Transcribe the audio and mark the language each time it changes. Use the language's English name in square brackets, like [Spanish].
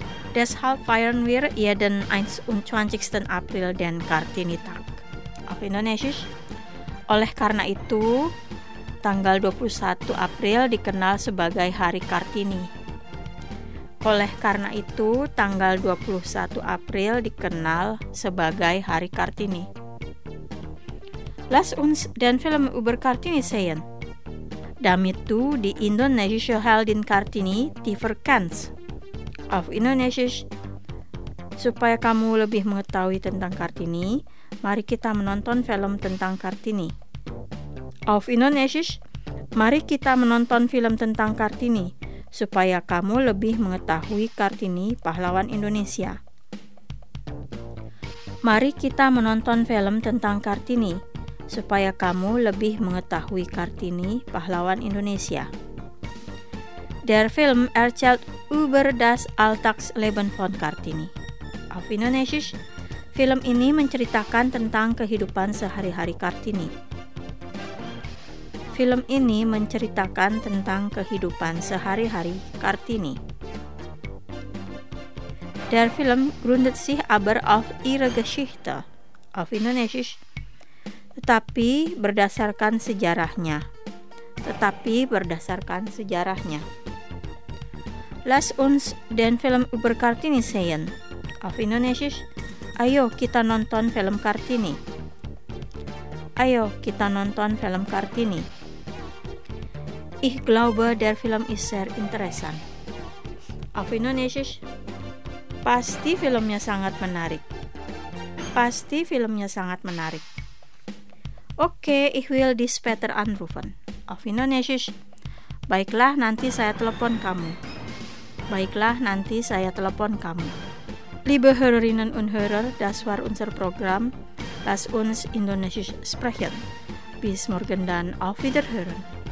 [German] Deshalb feiern wir jeden 21. April den Kartini-Tag. Auf Indonesisch. [Indonesian] Oleh karena itu, tanggal 21 April dikenal sebagai Hari Kartini. Oleh karena itu, tanggal 21 April dikenal sebagai Hari Kartini. [German] Lass uns den Film über Kartini sehen. Damit du die indonesische Heldin Kartini tiefer kennst. Auf Indonesisch. [Indonesian] Supaya kamu lebih mengetahui tentang Kartini, mari kita menonton film tentang Kartini. Auf Indonesisch. Mari kita menonton film tentang Kartini. Supaya kamu lebih mengetahui Kartini, pahlawan Indonesia. Mari kita menonton film tentang Kartini. Supaya kamu lebih mengetahui Kartini, pahlawan Indonesia. [German] Der Film erzählt über das Alltagsleben von Kartini. Auf Indonesisch. [Indonesian] Film ini menceritakan tentang kehidupan sehari-hari Kartini. Film ini menceritakan tentang kehidupan sehari-hari Kartini. [German] Der Film gründet sich aber auf ihre Geschichte. Auf Indonesisch. [Indonesian] Tetapi berdasarkan sejarahnya. Tetapi berdasarkan sejarahnya. [German] Lass uns den Film über Kartini sehen. Auf Indonesisch. [Indonesian] Ayo kita nonton film Kartini. Ayo kita nonton film Kartini. [German] Ich glaube, der Film ist sehr interessant. Auf Indonesisch. [Indonesian] Pasti filmnya sangat menarik. Pasti filmnya sangat menarik. [German] Okay, ich will dich später anrufen. Auf Indonesisch. [Indonesian] Baiklah, nanti saya telepon kamu. Baiklah, nanti saya telepon kamu. [German] Liebe Hörerinnen und Hörer, das war unser Programm. Lass uns Indonesisch sprechen. Bis morgen dann, auf Wiederhören.